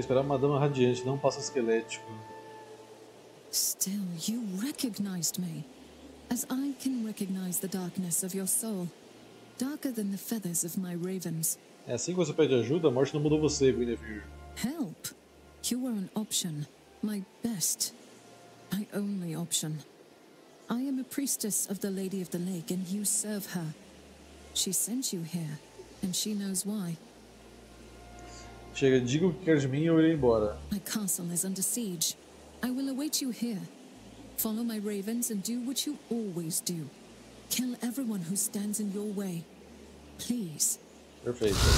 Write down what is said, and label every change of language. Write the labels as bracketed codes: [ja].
[pt] Esperava uma dama radiante, não um passo esquelético. [en] Still, you recognized me. As I can recognize the darkness of your soul. Darker than the feathers of my ravens. [pt] É assim que você pede ajuda? A morte não mudou você, Guinevere. [en] Help? You were an option. My best, my only option. I am a priestess of the Lady of the Lake, and you serve her. She sent you here, and she knows why. [pt] Chega, diga o que quer de mim e eu irei embora. [en] My castle is under siege. I will await you here. Follow my ravens and do what you always do. Kill everyone who stands in your way. Please. [pt] Perfeito.